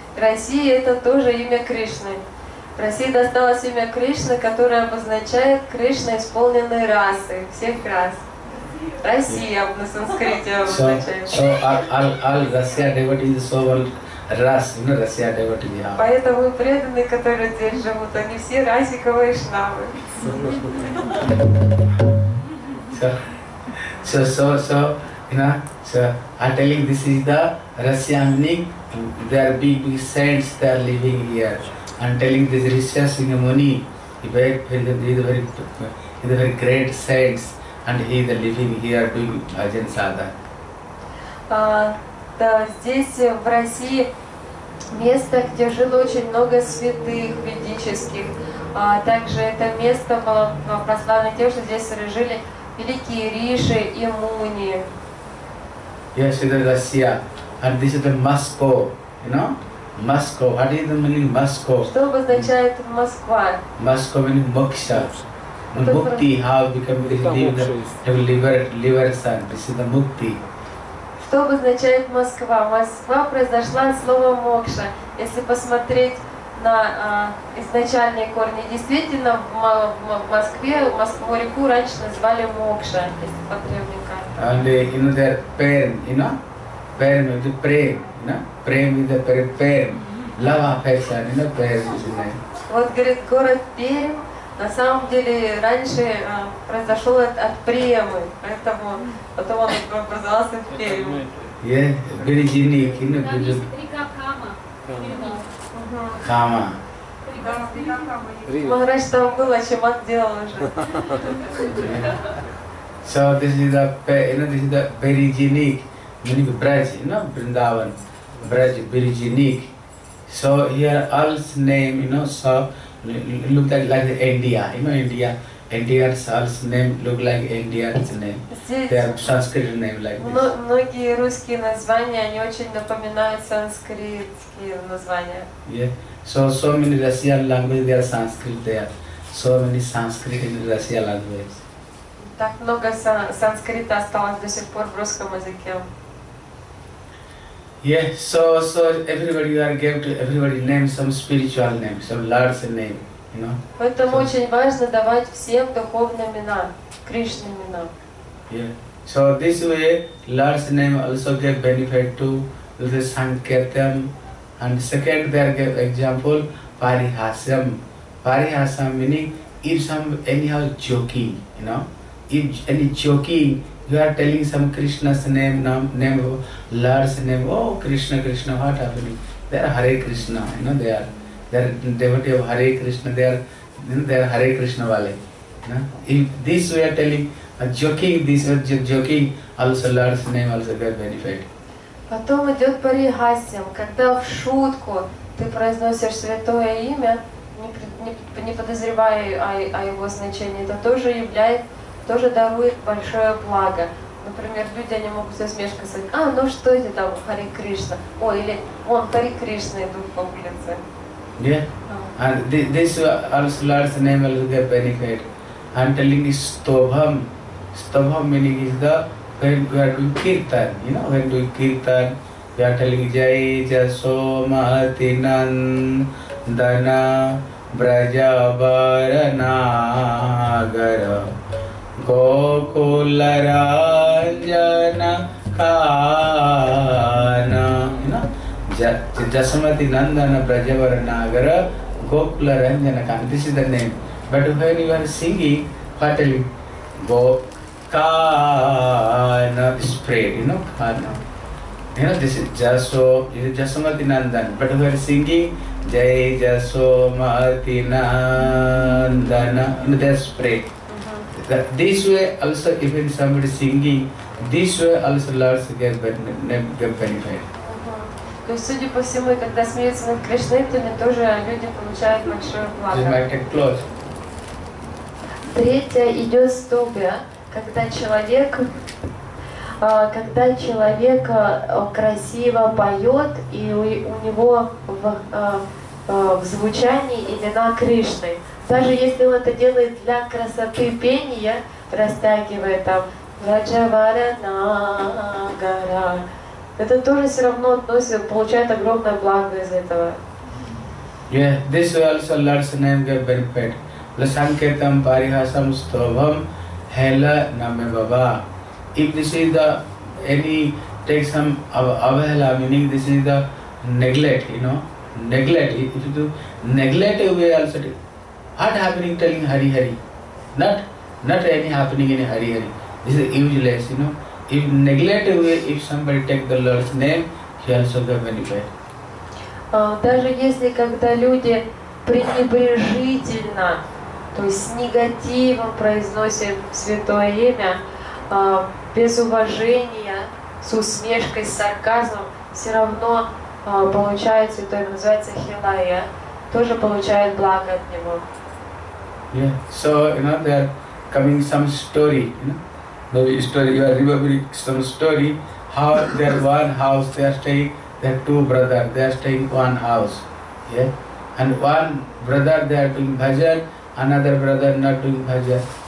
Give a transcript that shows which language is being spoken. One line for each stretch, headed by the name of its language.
Russian: Россия — это тоже имя Кришны. В России досталось имя Кришны, которое обозначает Кришна исполненной расы, всех рас. Россия на санскрите обозначает.
English: So all Russia devotees is so old Ras, you know, Russia devotees. Yeah.
Russian: Поэтому преданные, которые здесь живут, они все расиковые шнавы.
English: So, you know, so I'm telling this is the Russiani, there are big saints, they are living here. I'm telling this Rishya Singh Muni, he's a very great saints. And he is living here doing Bhajan Sadhana.
Russian: Да, здесь в России место, где жило очень много святых ведических. Также это место было прославлено тем, что здесь жили великие Риши и Муни.
English: Yes, it is Russia. And this is the Moscow, you know? Moscow. What is the meaning Moscow?
Russian: Что обозначает Москва?
English: Moscow means Moksha. Мукти, how become liberation. This is the Мукти.
Russian: Что обозначает Москва? Москва произошла от слова Мокша. Если посмотреть на изначальные корни, действительно в Москве реку раньше назвали Мокша, если по древним картам.
English: And you know their pen, you know? Pen with the prem, you know? Prem with the pen. Love affection, you know, pen is the name.
Russian: Вот говорит город Пермь. На самом деле, раньше произошел от премы, поэтому потом он образовался в Перми.
English: Yeah, very unique, you know, because...
Russian: Там есть река Кама. Кама. Кама. Раньше там было, чем он делал уже.
English: So, this is the, you know, this is the very unique, meaning Braj, you know, Vrindavan. Braj, very unique. So, here all's name, you know, so... Look at like India, you know India. India's all's name look like India's name. They are Sanskrit name like this.
Russian: Многие русские названия, они очень напоминают санскритские названия.
English: Yeah. So, so many Russian language, there are Sanskrit there. So many Sanskrit in Russian language.
Russian: Так много санскрита осталось до сих пор в русском языке.
English: Yeah, so everybody you are gave to everybody name, some spiritual name, some Lord's name, you know.
Russian: Поэтому очень важно давать всем духовные имена, Кришна имена.
English: Yeah. So this way Lord's name also get benefit to the Sankirtan. And second they are give example Parihasam. Parihasam meaning if some anyhow joking, you know. If any joking, you are telling some Krishna's name, Lord's name, oh Krishna, Krishna, what happening? They are Hare Krishna, you know, they are devotee of Hare Krishna, they are Hare Krishna wale. You know? If this we are telling, joking, this are joking, also Lord's name also get benefit.
Russian: Потом идет парихасям, когда в шутку ты произносишь святое имя, не подозревая о его значении, это тоже является тоже дарует большое благо. Например, люди они могут со смешкой сказать, а, ну что это там, Харе Кришна? О, или он Харе Кришна идут по улице.
English: Yeah. And this also Lord's name will get benefit. I'm telling you Stobham. Stobham meaning is the when we are doing kirtan, you know, when doing kirtan, we are telling Jai Jaso Mahati Nandana Braja Varanagara Gokula Ranjana Kana, you know, Jasamati Nandana Braja Varanagara Gokula Ranjana Kana, this is the name. But when you are singing, what tell you? Kana spread, you know, Kana. You know, this is Jaso, this is Jasamati Nandana. But we are singing Jai Jaso Mahati Nandana, you know, that's spread. That this way also even somebody singing, this way also Lord's get benefit.
Russian: То есть, судя по всему, когда смеются над Кришнаитами, тоже люди получают большое благо.
English: This might take close.
Russian: Третье идет стобия, когда человек красиво поет, и у него в звучании имена Кришны. Даже если он это делает для красоты пения, растягивая там Раджаваранагара, это тоже все равно относит, получает огромное благо из этого.
English: Yeah, this way also Lord's name get benefit. Lasanketam Parihasam Stobham Hela Name Baba. If this is the any take some avahela, meaning this is the neglect, you know. Neglect, if you do neglective way also, what happening telling Hari Hari? Not any happening in Hari Hari. This is useless, you know. If neglective way, if somebody take the Lord's name, he also get benefit.
Russian: Даже если когда люди пренебрежительно, то есть с негативом произносят святое имя, без уважения, с усмешкой, с сарказмом, все равно получает святое, называется Хилая, тоже получает благо от него.
English: Yeah, so you know they are coming some story, you know, the story you are remembering some story. How their one house they are staying, their two brother they are staying one house, yeah. And one brother they are doing bhajan, another brother not doing bhajan.